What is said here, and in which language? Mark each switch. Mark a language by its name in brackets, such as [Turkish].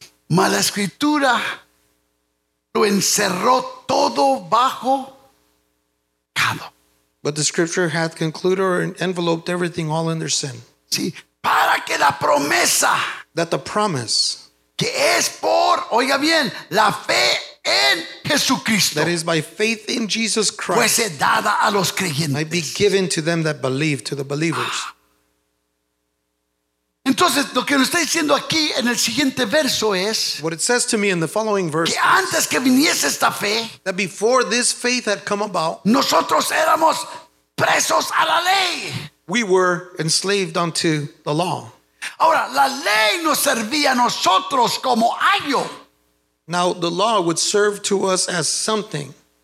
[Spanish] Mas la escritura lo encerró todo bajo pecado. [English] But the scripture hath concluded or enveloped everything all in their sin. [Spanish] Sí, para que la promesa, [English] that the promise, [Spanish] que es por, oiga bien, la fe en Jesucristo, [English] that is by faith in Jesus Christ, [Spanish] fuese dada a los creyentes, [English] might be given to them that believe, to the believers. [Spanish] Entonces, lo que nos está diciendo aquí en el siguiente verso es, [English] what it says to me in the following verse, [Spanish] que antes que viniese esta fe, [English] that before this faith had come about, [Spanish] nosotros éramos presos a la ley. [English] We were enslaved unto the law. [Spanish] Ahora, la ley nos servía a nosotros como ayo. [English] Now, the law would serve to us as something.